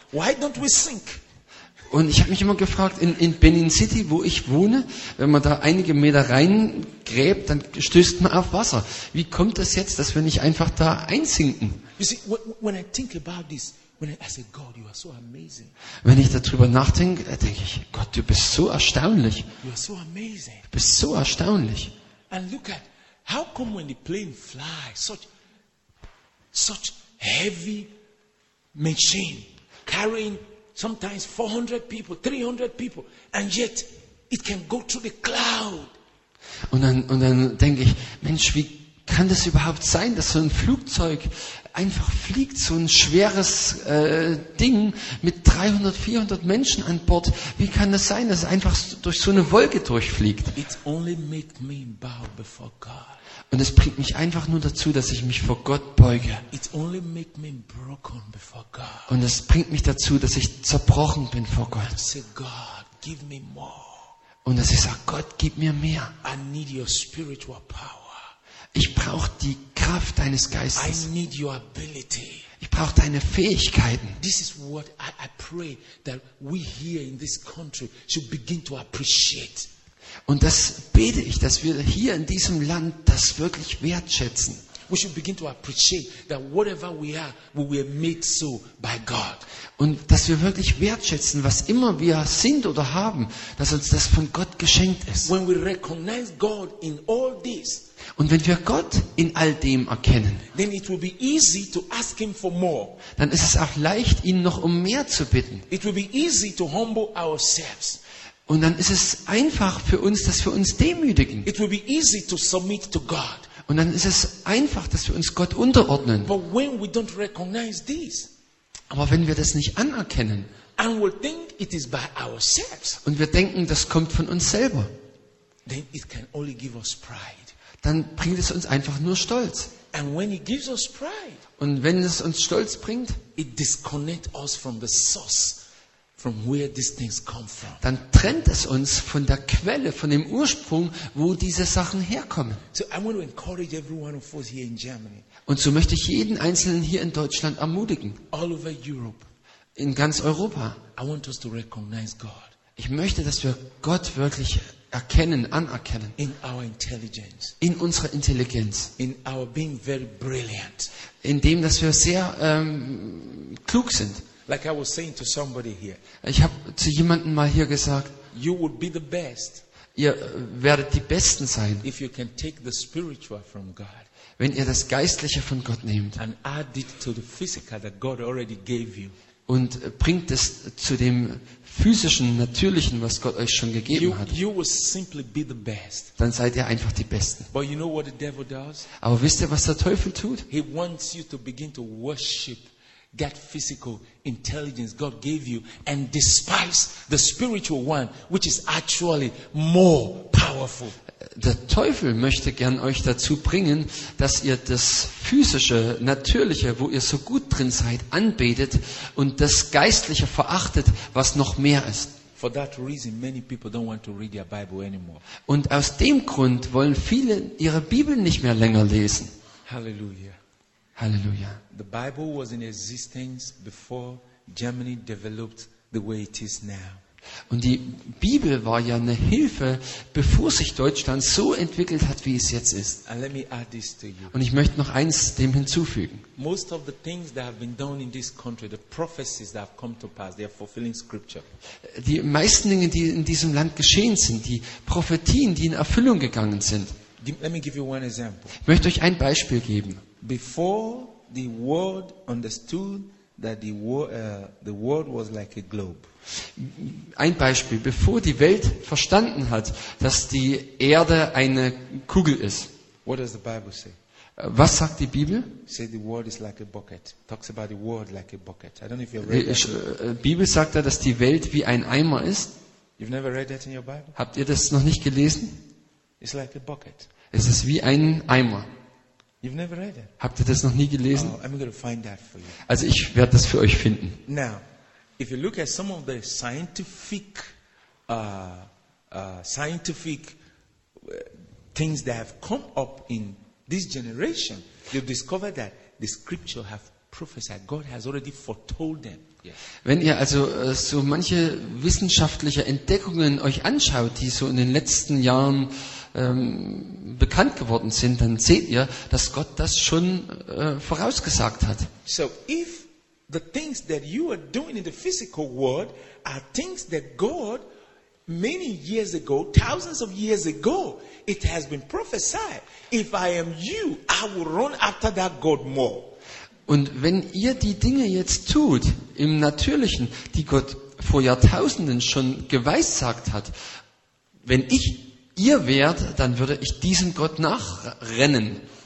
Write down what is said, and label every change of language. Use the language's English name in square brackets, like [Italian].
[English] Why don't we sink? [German] Und ich habe mich immer gefragt, in Benin City, wo ich wohne, wenn man da einige Meter reingräbt, dann stößt man auf Wasser. Wie kommt das jetzt, dass wir nicht einfach da einsinken? [English] You see, when I think about this, when I say, God, you are so amazing. [German] Wenn ich darüber nachdenke, denke ich, Gott, du bist so erstaunlich. [English] You are so amazing. [German] Du bist so erstaunlich. [English] And look at, how come when the plane flies, such heavy machine carrying sometimes 400 people, 300 people, and yet it can go through the cloud. [German] Und dann denke ich, Mensch, wie kann das überhaupt sein, dass so ein Flugzeug einfach fliegt, so ein schweres Ding mit 300, 400 Menschen an Bord? Wie kann das sein, dass es einfach durch so eine Wolke durchfliegt? [English] It only made me bow before God. [German] Und es bringt mich einfach nur dazu, dass ich mich vor Gott beuge. [English] It only make me broken before God. [German] Und es bringt mich dazu, dass ich zerbrochen bin vor Gott. [English] I say, God, give me more. [German] Und dass ich sage, Gott, gib mir mehr. [English] I need your spiritual power. [German] Ich brauche die Kraft deines Geistes. [English] I need your ability. [German] Ich brauche deine Fähigkeiten. [English] This is what I pray that we here in this country should begin to appreciate. [German] Und das bete ich, dass wir hier in diesem Land das wirklich wertschätzen. [English] We should begin to appreciate that whatever we are, we were made so by God. [German] Und dass wir wirklich wertschätzen, was immer wir sind oder haben, dass uns das von Gott geschenkt ist. [English] When we recognize God in all this, [German] und wenn wir Gott in all dem erkennen, [English] then it will be easy to ask him for more. [German] Dann ist es auch leicht, ihn noch um mehr zu bitten. [English] It will be easy to humble ourselves. [German] Und dann ist es einfach für uns, dass wir uns demütigen. [English] It will be easy to submit to God. [German] Und dann ist es einfach, dass wir uns Gott unterordnen. [English] But when we don't recognize this, [German] aber wenn wir das nicht anerkennen, [English] and we think it is by ourselves, [German] und wir denken, das kommt von uns selber, [English] then it can only give us pride. [German] Dann bringt es uns einfach nur Stolz. [English] And when it gives us pride, [German] und wenn es uns Stolz bringt, [English] it disconnects us from the source. From where these things come from. [German] Dann trennt es uns von der Quelle, von dem Ursprung, wo diese Sachen herkommen. [English] So I want to encourage everyone of us here in Germany. [German] Und so möchte ich jeden Einzelnen hier in Deutschland ermutigen. [English] All over Europe. [German] In ganz Europa. [English] I want us to recognize God. [German] Ich möchte, dass wir Gott wirklich erkennen, anerkennen. [English] In our intelligence. [German] In unserer Intelligenz. [English] In our being very brilliant. [German] In dem, dass wir sehr klug sind. [English] Like I was saying to somebody here. [German] Ich habe zu jemandem mal hier gesagt, [English] you would be the best. [German] Ihr werdet die Besten sein. [English] If you can take the spiritual from God. [German] Wenn ihr das Geistliche von Gott nehmt. [English] And add it to the physical that God already gave you. [German] Und bringt es zu dem physischen, natürlichen, was Gott euch schon gegeben hat. [English] You will simply be the best. [German] Dann seid ihr einfach die Besten. [English] But you know what the devil does? [German] Aber wisst ihr, was der Teufel tut? [English] He wants you to begin to worship that physical intelligence God gave you and despise the spiritual one, which is actually more powerful. [German] Der Teufel möchte gern euch dazu bringen, dass ihr das physische, natürliche, wo ihr so gut drin seid, anbetet und das Geistliche verachtet, was noch mehr ist. [English] For that reason, many people don't want to read their Bible anymore. [German] Und aus dem Grund wollen viele ihre Bibel nicht mehr länger lesen. [English] Halleluja. [German] Halleluja. [English] The Bible was in existence before Germany developed the way it is now. [German] Und die Bibel war ja eine Hilfe, bevor sich Deutschland so entwickelt hat, wie es jetzt ist. [English] And let me add this to you. [German] Und ich möchte noch eins dem hinzufügen. [English] Most of the things that have been done in this country, the prophecies that have come to pass, they are fulfilling scripture. [German] Die meisten Dinge, die in diesem Land geschehen sind, die Prophetien, die in Erfüllung gegangen sind. [English] Let me give you one example. [German] Ich möchte euch ein Beispiel geben. [English] Before the world understood that the world was like a globe. [German] Ein Beispiel, bevor die Welt verstanden hat, dass die Erde eine Kugel ist. [English] What does the Bible say? [German] Was sagt die Bibel? [English] Say the world is like a bucket. Talks about the world like a bucket. I don't know if you've read that. [German] Die Bibel sagt da, dass die Welt wie ein Eimer ist. [English] You've never read that in your Bible? [German] Habt ihr das noch nicht gelesen? [English] It's like a bucket. [German] Es ist wie ein Eimer. [English] You've never read it. [German] Habt ihr das noch nie gelesen? [English] Oh, I'm going to find that for you. [German] Also ich werde das für euch finden. [English] Now, if you look at some of the scientific things that have come up in this generation, you'll discover that the scripture have prophesied. God has already foretold them. [German] Wenn ihr also so manche wissenschaftliche Entdeckungen euch anschaut, die so in den letzten Jahren bekannt geworden sind, dann seht ihr, dass Gott das schon vorausgesagt hat. [English] So if the things that you are doing in the physical world are things that God many years ago, thousands of years ago, it has been prophesied. If I am you, I will run after that God more. [German] Und wenn ihr die Dinge jetzt tut, im Natürlichen, die Gott vor Jahrtausenden schon geweissagt hat, wenn ich ihr wärt, dann würde ich diesem Gott nachrennen.